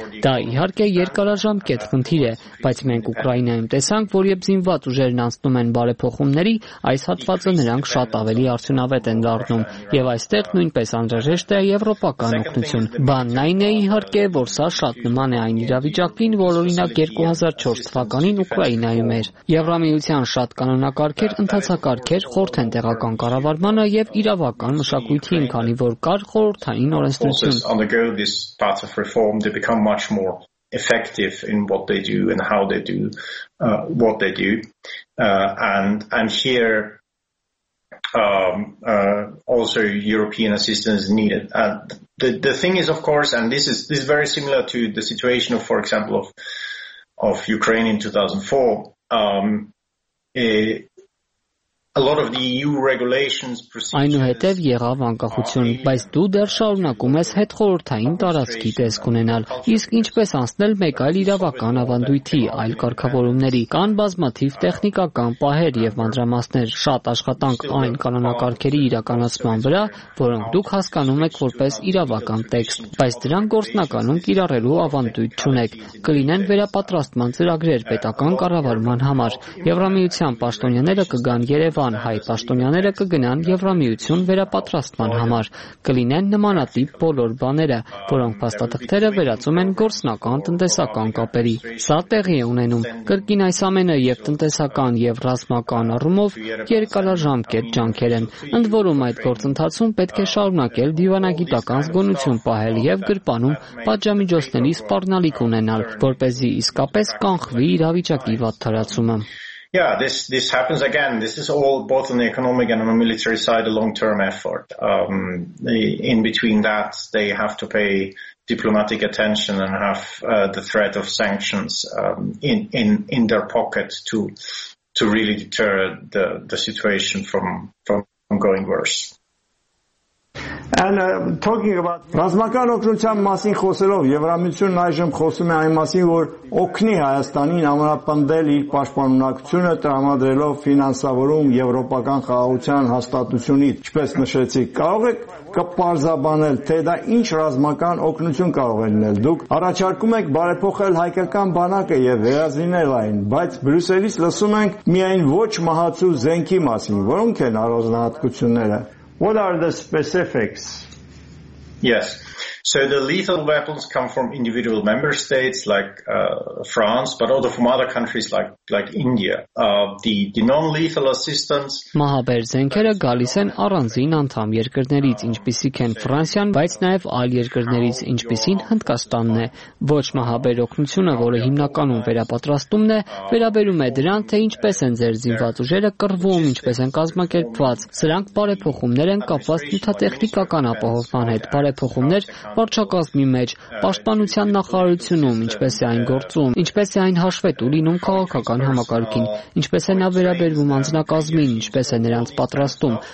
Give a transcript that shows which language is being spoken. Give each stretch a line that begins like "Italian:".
Armenian: Դա իհարկե երկարաժամկետ խնդիր է, բայց մենք Ուկրաինայում տեսանք, որ երբ զինված ուժերն անցնում են բարեփոխումների, այս հատվածը նրանք շատ ավելի արդյունավետ են դառնում, և այստեղ նույնպես անհրաժեշտ է եվրոպական օգնություն։ Բանն այն է իհարկե, որ սա շատ նման է այն իրավիճակին, որ օրինակ 2004 թվականին Ուկրաինայում էր։ Եվրամիության շատ կանոնակարգեր, ընդհացակարգեր խորթ են տեղական կառավարմանը և իրավական մշակույթին, քանի որ կար խորհրդային օրենսդրություն։
English: Also European assistance is needed. The thing is, of course, and this is very similar to the situation of, for example, of Ukraine in 2004. A lot of the EU regulations procedures.
Armenian: Այնուհետև եղավ անկախություն, բայց դու դեռ շարունակում ես հետ խորհրդային տարածքի տեսք ունենալ, իսկ ինչպես անցնել մեկ այլ իրավական ավանդույթի, այլ կարգավորումների, կան բազմաթիվ տեխնիկական պահեր և մանդրամասներ, շատ աշխատանք այն կանոնակարգերի իրականացման վրա, որոնք դուք հասկանում եք որպես իրավական տեքստ, բայց դրան գործնականում կիրառելու ավանդույթ չունեք, կլինեն վերապատրաստման ծրագրեր պետական կառավարման համար։ Եվրամիության պաշտոնյաները կգան Երևան, հայ պաշտոնյաները կգնան Եվրամիություն վերապատրաստման համար, կլինեն նմանատիպ բոլոր բաները, որոնք փաստաթղթերը վերածում են գործնական տնտեսական կապերի։ Սա տեղի է ունենում, կրկին այս ամենը և տնտեսական և ռազմական առումով երկարաժամկետ ջանքեր են, ընդ որում այդ գործընթացում պետք է շարունակել դիվանագիտական զգոնություն պահել և գրպանում պատժամիջոցների սպառնալիք ունենալ, որպեսզի իսկապես կանխվի իրավիճակի վատթարացումը։
English: Yeah, this happens again. This is all both on the economic and on the military side, a long-term effort. In between that, they have to pay diplomatic attention and have the threat of sanctions in their pocket to really deter the situation from going worse. And talking about
Armenian: ռազմական օգնության մասին խոսելով, Եվրամիությունն այժմ խոսում է այն մասին, որ օգնի Հայաստանին ամրապնդել իր պաշտպանունակությունը տրամադրելով ֆինանսավորում Եվրոպական խաղաղության հաստատությունից, ինչպես նշեցիք։ Կարող եք կպարզաբանել, թե դա ինչ ռազմական օգնություն կարող է լինել։ Դուք առաջարկում եք բարեփոխել հայկական բանակը և վերազինել այն, բայց Բրյուսելից լսում ենք միայն ոչ մահացու զենքի մասին։ Որոնք են առանձնահատկությունները։
English: What are the specifics? Yes. So the lethal weapons come from individual member states like France, but also from other countries like India. The non-lethal assistance.
Armenian: Մահաբեր զենքերը գալիս են առանձին անդամ երկրներից, ինչպիսիք են Ֆրանսիան, բայց նաև այլ երկրներից, ինչպիսին Հնդկաստանն է։ Ոչ մահաբեր օգնությունը, որը հիմնականում վերապատրաստումն է, վերաբերում է դրան, թե ինչպես են ձեր զինված ուժերը կռվում, ինչպես են կազմակերպված։ Սրանք բարեփոխումներ են կապված նյութատեխնիկական ապահովման հետ, բարեփոխումներ Վարչակազմի մեջ, պաշտպանության նախարարությունում, ինչպես է այն գործում, ինչպես է այն հաշվետ ունենում քաղաքական համակարգին, ինչպես է նա վերաբերվում անձնակազմին, ինչպես է նրանց պատրաստում,